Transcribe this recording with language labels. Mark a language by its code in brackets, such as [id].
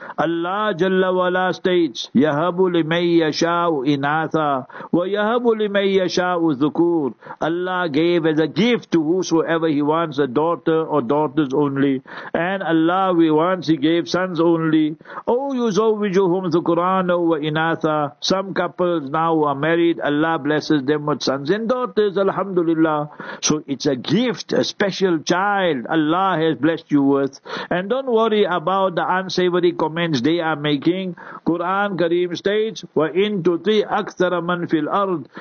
[en] Allah Jalla Wala states, [ar] يَهَبُ لِمَنْ يَشَاءُ إِنَاثًا وَيَهَبُ لِمَنْ يَشَاءُ الذُّكُورُ. [en] Allah gave as a gift to whosoever he wants, a daughter or daughters only. And Allah, we once he gave sons only. [ar] Oh, يُزَوِّجُهُمْ ذُكُرَانُ وَإِنَاثًا. [en] Some couples now are married. Allah blesses them with sons and daughters, alhamdulillah. So it's a gift, a special child Allah has blessed you with. And don't worry about the unsavory comments they are making. Quran Kareem states, [ar] wa in tuti akthara man fil ard.